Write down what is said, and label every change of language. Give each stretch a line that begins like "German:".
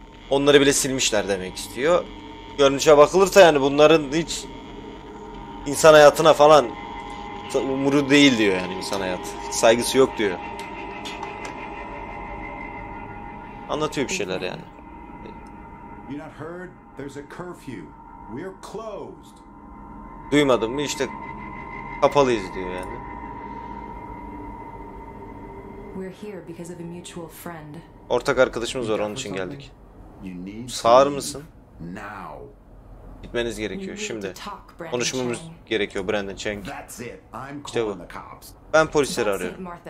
Turkish: Onları bile silmişler demek istiyor. Görünüşe bakılırsa yani bunların hiç insan hayatına falan umuru değil diyor, yani insan hayatı saygısı yok diyor. Anlatıyor bir şeyler yani.
English: You not heard? There's a curfew. We're closed.
Turkish: Duymadın mı? İşte kapalıyız diyor yani.
English: We're here because of a mutual friend.
Turkish: Ortak arkadaşımız var, onun için geldik. Sağır mısın? Now. Gitmeniz gerekiyor şimdi. Konuşmamız gerekiyor Brandon Chang. İşte bu. Ben polisleri arıyorum.